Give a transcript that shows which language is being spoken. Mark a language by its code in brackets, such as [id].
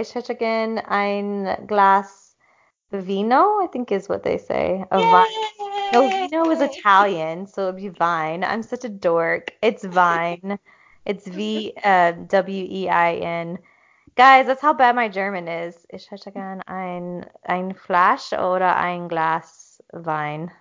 [de] Ich hätte gern ein Glas Vino, [en] I think is what they say. No, vino is Italian, so it would be vine. I'm such a dork. It's vine. It's V-W-E-I-N. Guys, that's how bad my German is. [de] Ich hätte gern ein Flasch oder ein Glas Wein.